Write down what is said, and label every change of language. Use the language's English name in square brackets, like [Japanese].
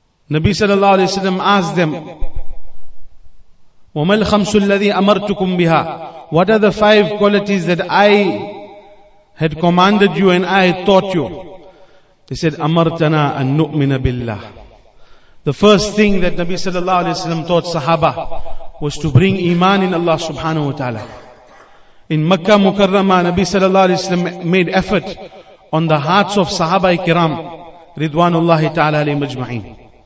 [English] Nabi sallallahu alayhi wa sallam asked them, [Arabic] وَمَا الْخَمْسُ الَّذِي أَمَرْتُكُمْ بِهَا. [English] What are the 5 qualities that I had commanded you and I taught you? They said, [Arabic] أَمَرْتَنَا أَن نُؤْمِنَ بِاللَّهِ. [English] The first thing that Nabi sallallahu alayhi wa sallam taught Sahaba was to bring Iman in Allah subhanahu wa ta'ala. In Makkah Mukarramah, Nabi sallallahu alayhi wa sallam made effort on the hearts of Sahaba ikram, Ridwanullahi ta'ala alayhi majma'in.